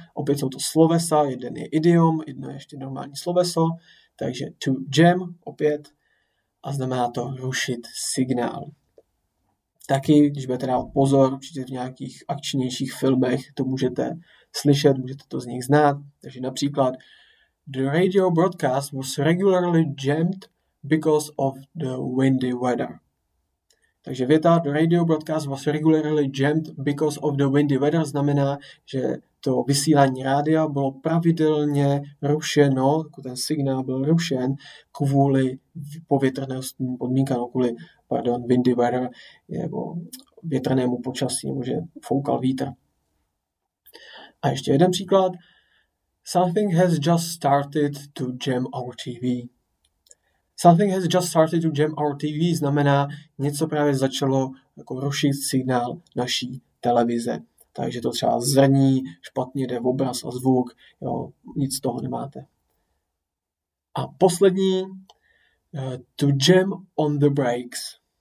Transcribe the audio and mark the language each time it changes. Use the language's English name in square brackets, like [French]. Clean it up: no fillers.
[Czech] Opět jsou to slovesa, jeden je idiom, jedno je ještě normální sloveso. Takže to jam, opět, a znamená to rušit signál. Taky, když budete dát pozor, určitě v nějakých akčnějších filmech to můžete slyšet, můžete to z nich znát. [English] Takže například, the radio broadcast was regularly jammed because of the windy weather. [Czech] Takže věta, [English] the radio broadcast was regularly jammed because of the windy weather, [Czech] znamená, že to vysílání rádia bylo pravidelně rušeno, ten signál byl rušen kvůli povětrnostním podmínkám, kvůli, pardon, [English] windy weather, [Czech] nebo větrnému počasí, nebo že foukal vítr. A ještě jeden příklad. [English] Something has just started to jam our TV. Something has just started to jam our TV [Czech] znamená, něco právě začalo jako rušit signál naší televize. Takže to třeba zrní, špatně jde obraz a zvuk, jo, nic z toho nemáte. A poslední, [English] to jam on the brakes.